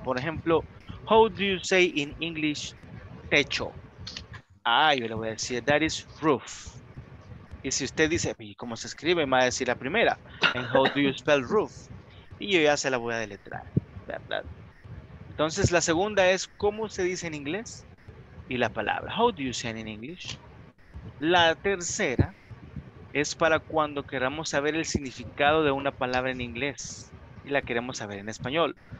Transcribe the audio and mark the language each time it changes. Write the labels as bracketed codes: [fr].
[es] Por ejemplo, [en] how do you say in English [es] techo? Ah, yo le voy a decir [en] that is roof. [es] Y si usted dice, ¿y cómo se escribe? Me va a decir la primera. [en] And how do you spell roof? [es] Y yo ya se la voy a deletrear, ¿verdad? Entonces, la segunda es ¿cómo se dice en inglés? Y la palabra, [en] how do you say it in English? [es] La tercera es para cuando queramos saber el significado de una palabra en inglés y la queremos saber en español.